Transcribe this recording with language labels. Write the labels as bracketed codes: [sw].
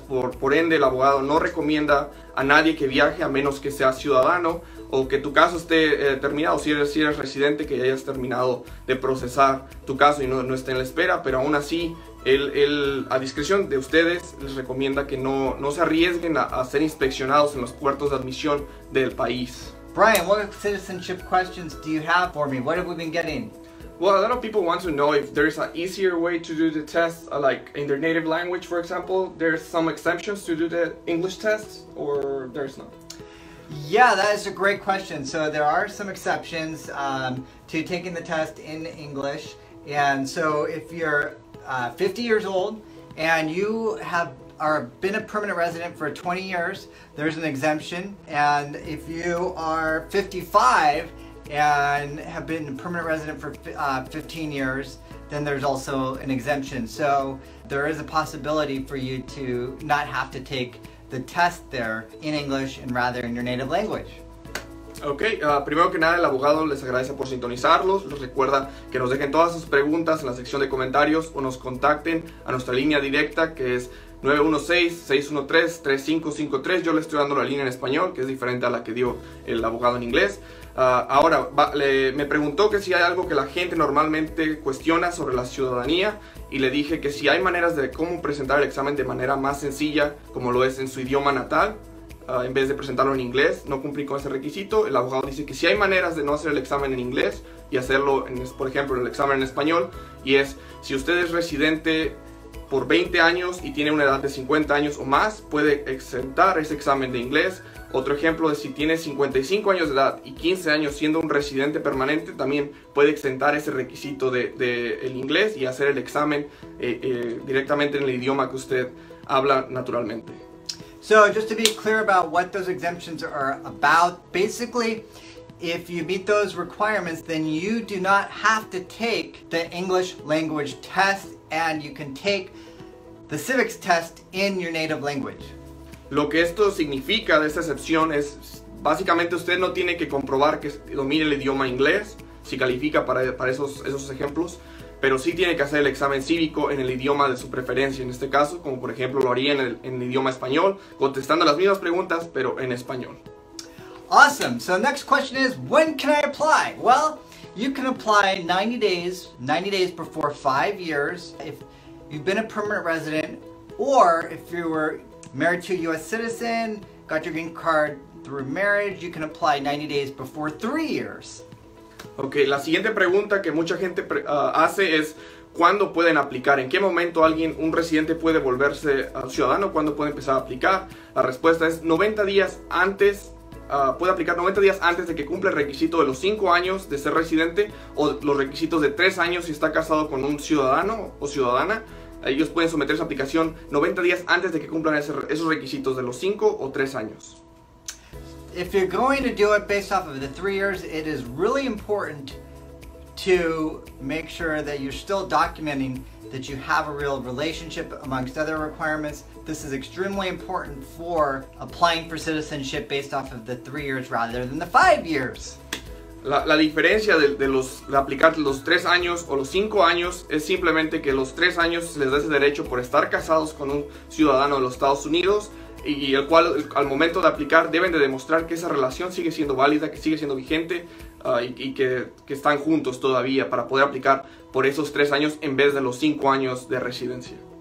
[es] Por ende, el abogado no recomienda a nadie que viaje a menos que seas ciudadano o que tu caso esté terminado. Si eres residente, que ya hayas terminado de procesar tu caso y no esté en la espera. Pero aún así, él a discreción de ustedes, les recomienda que no se arriesguen a ser inspeccionados en los puertos de admisión del país. [en] Brian, what citizenship questions do you have for me? What have we been getting? Well, a lot of people want to know if there's an easier way to do the test, like in their native language, for example. There's some exemptions to do the English test, or there's not? Yeah, that is a great question. So there are some exceptions to taking the test in English. And so if you're 50 years old and you have been a permanent resident for 20 years, there's an exemption. And if you are 55, and have been a permanent resident for 15 years, then there's also an exemption. So there is a possibility for you to not have to take the test there in English and rather in your native language. [es] Okay, primero que nada, el abogado les agradece por sintonizarlos. Les recuerda que nos dejen todas sus preguntas en la sección de comentarios o nos contacten a nuestra línea directa que es 916-613-3553. Yo le estoy dando la línea en español, que es diferente a la que dio el abogado en inglés. Ahora, me preguntó que si hay algo que la gente normalmente cuestiona sobre la ciudadanía y le dije que si hay maneras de cómo presentar el examen de manera más sencilla, como lo es en su idioma natal, en vez de presentarlo en inglés, no cumplí con ese requisito. El abogado dice que si hay maneras de no hacer el examen en inglés y hacerlo, por ejemplo, el examen en español, y es si usted es residente por 20 años y tiene una edad de 50 años o más, puede exentar ese examen de inglés. Otro ejemplo es si tiene 55 años de edad y 15 años siendo un residente permanente, también puede exentar ese requisito de el inglés y hacer el examen directamente en el idioma que usted habla naturalmente. [en] So, just to be clear about what those exemptions are about, basically, if you meet those requirements, then you do not have to take the English language test, and you can take the civics test in your native language. [es] Lo que esto significa de esta excepción es, básicamente usted no tiene que comprobar que domine el idioma inglés, si califica para esos ejemplos, pero sí tiene que hacer el examen cívico en el idioma de su preferencia, en este caso, como por ejemplo lo haría en el idioma español, contestando las mismas preguntas, pero en español. [en] Awesome. So next question is, when can I apply? Well, you can apply 90 days before 5 years if you've been a permanent resident, or if you were married to a U.S. citizen, got your green card through marriage, you can apply 90 days before 3 years. Okay. [es] La siguiente pregunta que mucha gente hace es, ¿cuándo pueden aplicar? ¿En qué momento alguien, un residente, puede volverse ciudadano? ¿Cuándo puede empezar a aplicar? La respuesta es 90 días antes. Puede aplicar 90 días antes de que cumpla el requisito de los 5 años de ser residente, o los requisitos de 3 años si está casado con un ciudadano o ciudadana. Ellos pueden someter su aplicación 90 días antes de que cumplan esos requisitos de los 5 o 3 años. [en] If you're going to do it based off of the 3 years, it is really important to make sure that you're still documenting that you have a real relationship amongst other requirements. This is extremely important for applying for citizenship based off of the 3 years rather than the 5 years. [es] La diferencia de aplicar los 3 años o los 5 años es simplemente que los 3 años se les da ese derecho por estar casados con un ciudadano de los Estados Unidos, y el cual al momento de aplicar deben de demostrar que esa relación sigue siendo válida, que sigue siendo vigente, y que están juntos todavía para poder aplicar por esos 3 años en vez de los 5 años de residencia.